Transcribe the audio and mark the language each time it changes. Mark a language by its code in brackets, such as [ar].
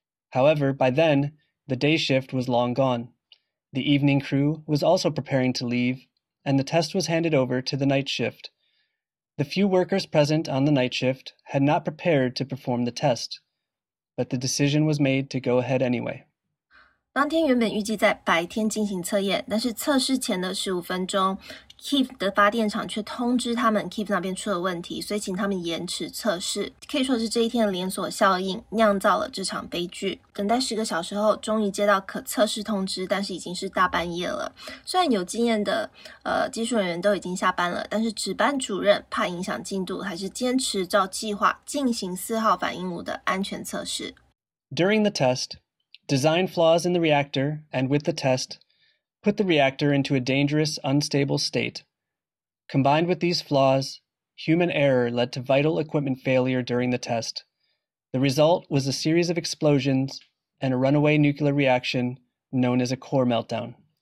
[en] However, by then, the day shift was long gone. The evening crew was also preparing to leave,and the test was handed over to the night shift. The few workers present on the night shift had not prepared to perform the test, but the decision was made to go ahead anyway. [zh] 当天原本预计在白天进行测验，但是测试前的15分钟 ,Kiev 的发电厂却通知他们 Kiev 那边出了问题，所以请他们延迟测试。可以说是这一天的连锁效应酿造了这场悲剧。等待10个小时后，终于接到可测试通知，但是已经是大半夜了。虽然有经验的技术人员都已经下班了，但是值班主任怕影响进度，还是坚持照计划进行4号反应炉的安全测试。 [en] During the test,Design flaws in the reactor, and with the test, put the reactor into a dangerous, unstable state. Combined with these flaws, human error led to vital equipment failure during the test. The result was a series of explosions and a runaway nuclear reaction known as a core meltdown.